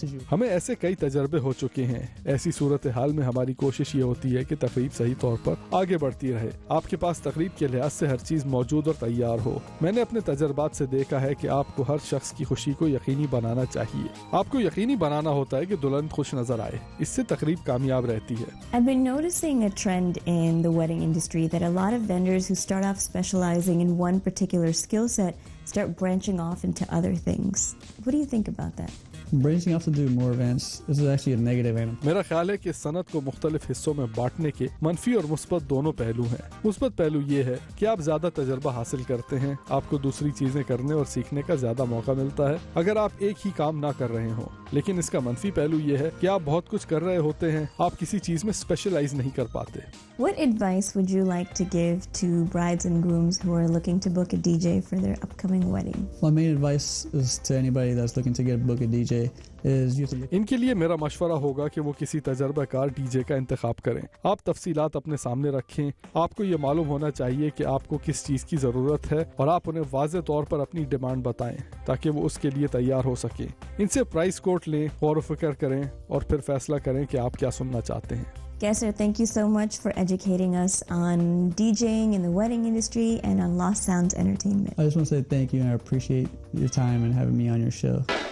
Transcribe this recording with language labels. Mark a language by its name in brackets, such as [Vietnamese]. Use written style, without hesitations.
[Urdu] ہمیں ایسے کئی تجربے ہو چکے ہیں. ایسی صورتحال میں ہماری کوشش یہ ہوتی ہے کہ تقریب صحیح طور پر آگے بڑھتی رہے, آپ کے پاس تقریب کے لحاظ سے ہر چیز موجود اور تیار ہو. میں نے اپنے تجربات سے دیکھا ہے کہ آپ کو ہر شخص کی خوشی کو یقینی بنانا چاہیے. آپ کو یقینی بنانا ہوتا ہے کہ دلہن خوش نظر آئے, اس سے تقریب کامیاب رہتی ہے. [English] I've been noticing a trend in the wedding industry that a lot of vendors who start off specializing in one particular skill set start branching off into other things. What do you think about that? Branching off to do more events, this is actually a negative item. [Urdu] میرا خیال ہے کہ صنعت کو مختلف حصوں میں بانٹنے کے منفی اور مثبت دونوں پہلو ہیں. مثبت پہلو یہ ہے کہ آپ زیادہ تجربہ حاصل کرتے ہیں, آپ کو دوسری چیزیں کرنے اور سیکھنے کا زیادہ موقع ملتا ہے اگر آپ ایک ہی کام نہ کر رہے ہوں. لیکن اس کا منفی پہلو یہ ہے کہ آپ بہت کچھ کر رہے ہوتے ہیں, آپ کسی چیز میں اسپیشلائز نہیں کر پاتے. [English] What advice would you like to give to brides and grooms who are looking to book a DJ for their upcoming wedding? My main advice is to anybody that's looking to get book a DJ is you to... [Urdu] ان کے لیے میرا مشورہ ہوگا کہ وہ کسی تجربہ کار D J کا انتخاب کریں. آپ تفصیلات اپنے سامنے رکھیں. آپ کو یہ معلوم ہونا چاہیے کہ آپ کو کس چیز کی ضرورت ہے اور آپ انہیں واضح طور پر اپنی ڈیمانڈ بتائیں تاکہ وہ اس کے لیے تیار ہو سکیں. ان سے پرائز کوٹ لیں, غور و فکر کریں اور پھر فیصلہ کریں کہ آپ کیا سننا چاہتے ہیں. [English] Kaser, thank you so much for educating us on DJing in the wedding industry and on Lost Sounds Entertainment. I just want to say thank you and I appreciate your time and having me on your show.